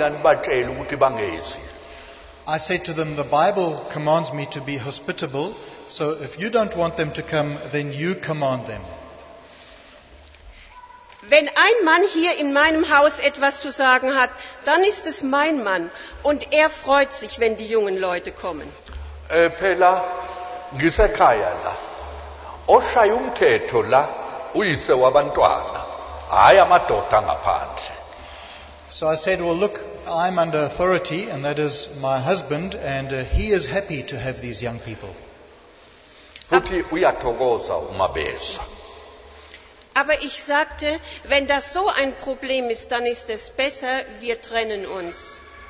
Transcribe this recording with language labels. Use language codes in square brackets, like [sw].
[en] I said to them, the Bible commands me to be hospitable, so if you don't want them to come, then you command them. [de] Wenn ein Mann hier in meinem Haus etwas zu sagen hat, dann ist es mein Mann. Und er freut sich, wenn die jungen Leute kommen. [zu] Pela ngisekhayala oshaya umthetho la uyise wabantwana hayi amadoda ngaphandle. [en] So I said, well, look, I'm under authority, and that is my husband, and he is happy to have these young people. [zu] Futhi uyathokoza uma beza. [de] Aber ich sagte, wenn das so ein Problem ist, dann ist es besser, wir trennen uns.